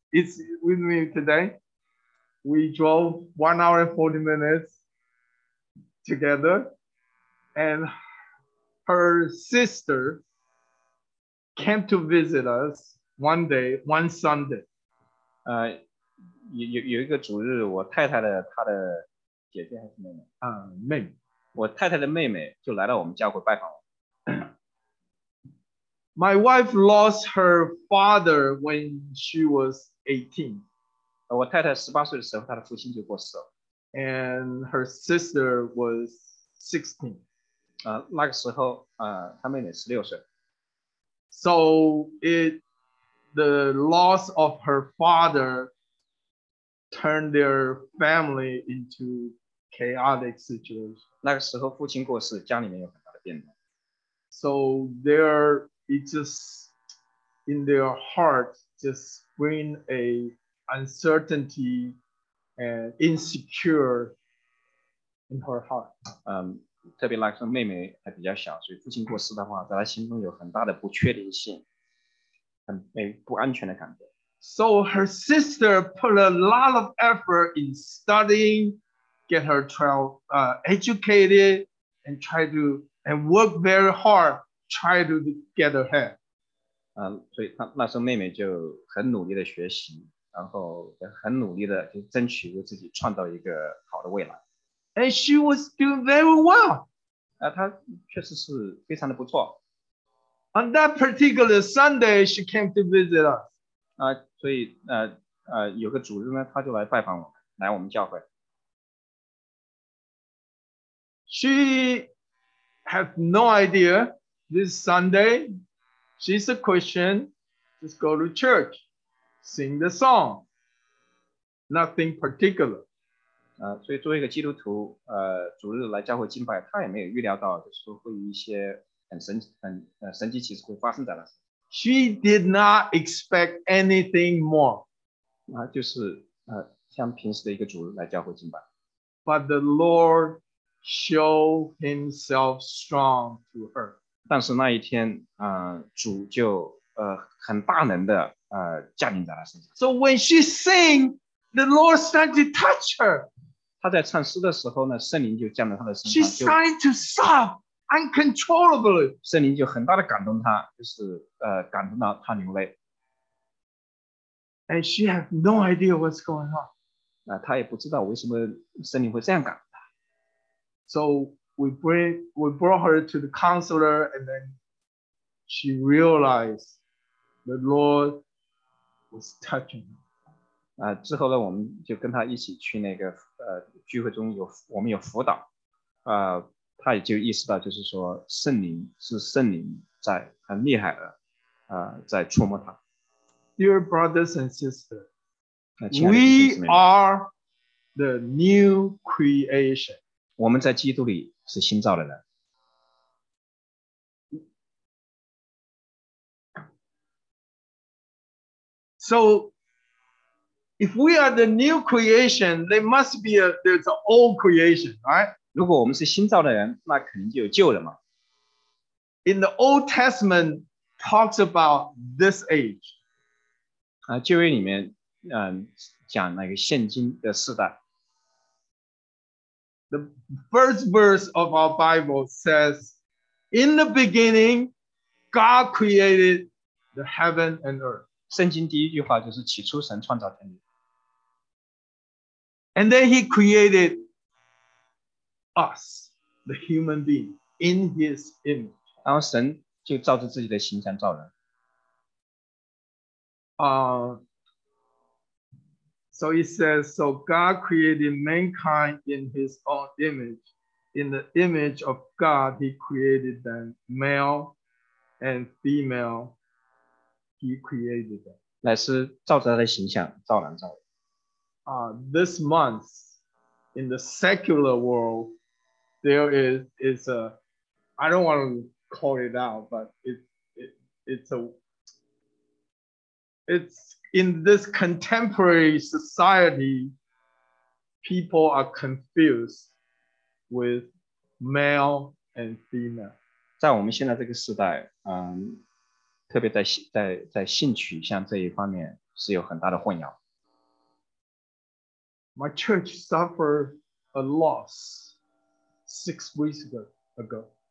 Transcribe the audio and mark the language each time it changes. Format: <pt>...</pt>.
<en>Is with me today. We drove 1 hour and 40 minutes together, and her sister came to visit us one Sunday.</en> <zh>有一个主日，我太太的她的姐姐还是妹妹？妹妹。我太太的妹妹就来到我们教会拜访我。</zh> <en>My wife lost her father when she was 18.</en> <zh>我太太十八岁的时候，她的父亲就过世了。</zh> <en>And her sister was 16.</en> <zh>那个时候，她妹妹16岁。</zh> <en>So the loss of her father turned their family into chaotic situation.</en> <zh>那个时候父亲过世，家里面有很大的变动。</zh> <en>So there, it just in their heart just bring a. Uncertainty and insecure in her heart.</en> <zh>特别那个妹妹还比较小，所以父亲过世的话，在她心中有很大的不确定性，很没不安全的感觉。</zh> <en>So her sister put a lot of effort in studying, get her child educated, and try to and work very hard, try to get ahead.</en> <zh>所以她那时候妹妹就很努力的学习。然后很努力的就争取为自己创造一个好的未来。</zh> <en>And she was doing very well.</en> <zh>她确实是非常的不错。</zh> <en>On that particular Sunday, she came to visit us.</en> <zh>所以有个主日呢，她就来拜访我们，来我们教会。</zh> <en>She has no idea this Sunday. She's a Christian. Just go to church.Sing the song, nothing particular.</en> <zh>所以作为一个基督徒，主日来教会敬拜，他也没有预料到，就是会一些神迹奇事会发生在那。</zh> <en>She did not expect anything more.</en> <zh>那就是像平时的一个主日来教会敬拜。</zh> <en>But the Lord showed Himself strong to her.</en> <zh>但是那一天，主就很大能的降临在她身上。</zh> <en>So when she sang, the Lord started to touch her.</en> <zh>他在唱诗的时候呢，圣灵就降到他的身上。</zh> <en>She started to sob uncontrollably.</en> <zh>圣灵就很大的感动他，就是感动到他流泪。</zh> <en>And she had no idea what's going on.</en> <zh>他也不知道为什么圣灵会这样感动他。</zh> <en>So we brought her to the counselor, and then she realized the Lord was touching her.</en> <zh>之后呢，我们就跟他一起去那个聚会中有我们有辅导，他也就意识到，就是说圣灵在很厉害的，在触摸他。</zh> <en>Dear brothers and sisters,</en> <zh>亲爱的弟兄姊妹，</zh> <en>we are the new creation.</en> <zh>我们在基督里是新造的人。</zh> <en>So. If we are the new creation, there must be there's an old creation, right?</en> <zh>如果我们是新造的人，那肯定就有旧的嘛。</zh> <en>In the Old Testament, talks about this age.</en> <zh>旧约里面，讲那个现今的世代。</zh> <en>The first verse of our Bible says, "In the beginning, God created the heaven and earth."</en> <zh>圣经第一句话就是起初神创造天地。</zh> <en>And then he created us, the human being, in his image.</en> <zh>然后神就照着自己的形象造人。</zh> <en>So he says, so God created mankind in his own image. In the image of God, he created them, male and female, he created them.</en> <zh>乃是照着他的形象造人造人。</zh> <en>This month, in the secular world, there is a, I don't want to call it out, but it's in this contemporary society, people are confused with male and female.</en> <zh>在我们现在这个时代，特别在性取向这一方面是有很大的混淆。</zh> <en>My church suffered a loss 6 weeks ago.</en>